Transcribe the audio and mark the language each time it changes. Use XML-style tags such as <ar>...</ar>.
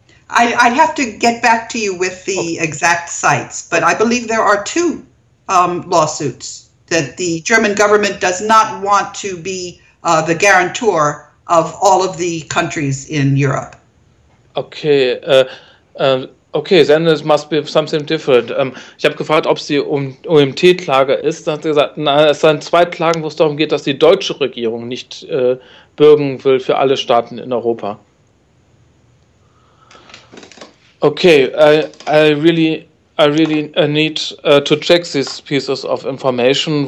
<en>I'd have to get back to you with the exact sites, but I believe there are two lawsuits that the German government does not want to be the guarantor of all of the countries in Europe. Okay, okay, then it must be something different.</en> <de>Ich habe gefragt, ob sie OMT-Klage ist. Dann hat sie gesagt, nein, es sind zwei Klagen, wo es darum geht, dass die deutsche Regierung nicht bürgen will für alle Staaten in Europa.</de> <en>Okay, I really need to check these pieces of information.</en>